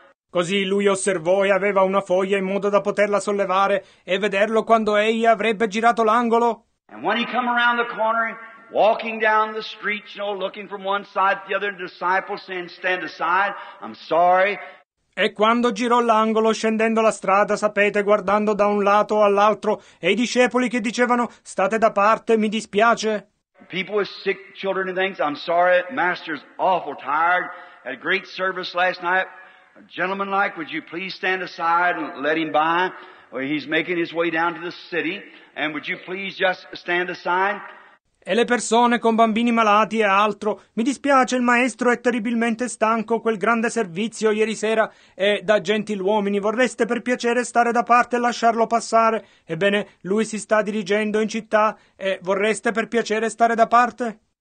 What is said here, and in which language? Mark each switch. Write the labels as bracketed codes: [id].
[it] Così lui osservò e aveva una foglia in modo da poterla sollevare e vederlo quando egli avrebbe girato l'angolo. [en] And when he come around the corner, walking down the street, you know, looking from one side to the other, the disciples saying, stand aside, I'm sorry. [it] E quando girò l'angolo, scendendo la strada, sapete, guardando da un lato all'altro, e i discepoli che dicevano, state da parte, mi dispiace. [en] People with sick children and things, I'm sorry, master's awful tired, had a great service last night. A gentleman like, would you please stand aside and let him by? He's making his way down to the city, and would you please just stand aside? [it] E le persone con bambini malati e altro. Mi dispiace, il maestro è terribilmente stanco, quel grande servizio ieri sera è da gentiluomini. Vorreste per piacere stare da parte e lasciarlo passare? Ebbene, lui si sta dirigendo in città e vorreste per piacere stare da parte?